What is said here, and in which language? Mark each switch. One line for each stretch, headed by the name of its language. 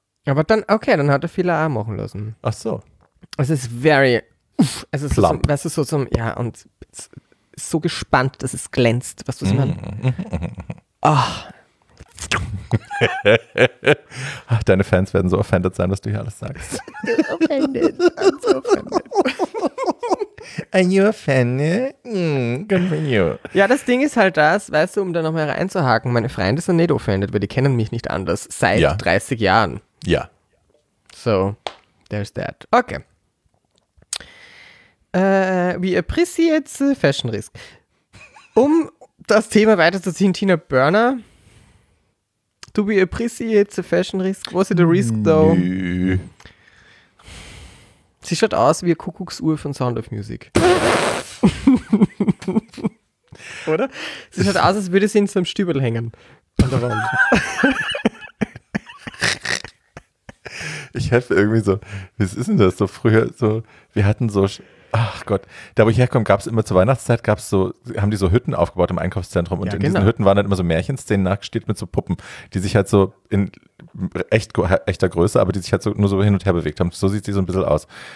German: Aber dann, okay, dann hat er Filler auch machen lassen. Ach so. Es ist very, es ist plump. So, weißt du, so zum, ja, und so gespannt, dass es glänzt, was du so meinst. Ach. Ach, deine Fans werden so offended sein, dass du hier alles sagst.
English: Offended, I'm so offended. Are you offended? Continue.
German: Ja, das Ding ist halt das, weißt du, um da nochmal reinzuhaken, meine Freunde sind nicht offended, weil die kennen mich nicht anders, seit ja 30 Jahren. Ja.
English: So, there's that. Okay. We appreciate the fashion risk.
German: Um das Thema weiterzuziehen, Tina Burner.
English: Do we appreciate the fashion risk?
German: Was ist der risk, though? Nö. Sie schaut aus wie eine Kuckucksuhr von Sound of Music. oder? Sie schaut aus, als würde sie in so einem Stübel hängen. An der Wand. Ich helfe irgendwie so, was ist denn das so früher? So, wir hatten so, ach Gott, da wo ich herkomme, gab es immer zur Weihnachtszeit, gab es so, haben die so Hütten aufgebaut im Einkaufszentrum und ja, in genau. diesen Hütten waren dann immer so Märchenszenen nachgestellt mit so Puppen, die sich halt so in echter Größe, aber die sich halt so nur so hin und her bewegt haben. So sieht sie so ein bisschen aus.